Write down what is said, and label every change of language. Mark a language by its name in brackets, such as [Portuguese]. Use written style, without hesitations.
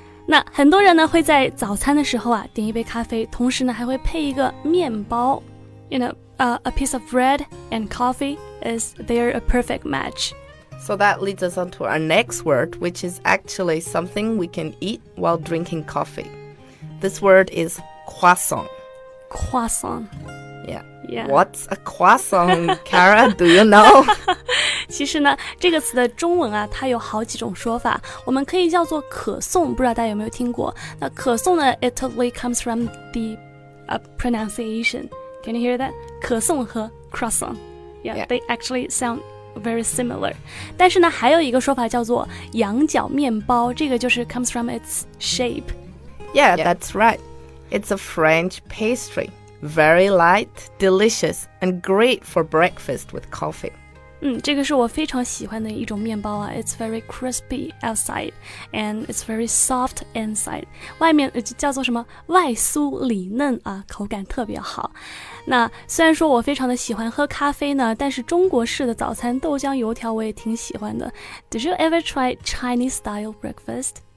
[Chinese] 那很多人呢会在早餐的时候啊点一杯咖啡，同时呢还会配一个面包。 [English] You know, a piece of bread and coffee is they're a perfect match. So that leads us on to our next word, which is actually something we can eat while drinking coffee. This word is croissant. Croissant. Yeah. Yeah. What's a croissant, Kara? Do you know? [Chinese] 其实呢，这个词的中文啊，它有好几种说法。我们可以叫做可颂，不知道大家有没有听过？那可颂呢 [English] ？It totally comes from the pronunciation. Can you hear that? 可颂和 croissant. Yeah, they actually sound very similar. [Chinese] 但是呢，还有一个说法叫做羊角面包，这个就是 [English] comes from its shape. Yeah, that's right. It's a French pastry. Very light, delicious, and great for breakfast with coffee. [Chinese] 这个是我非常喜欢的一种面包啊。 [English] It's very crispy outside, and it's very soft inside. [Chinese] 外面叫做什么？外酥里嫩啊，口感特别好。那虽然说我非常的喜欢喝咖啡呢，但是中国式的早餐豆浆油条我也挺喜欢的。 [English] Did you ever try Chinese style breakfast?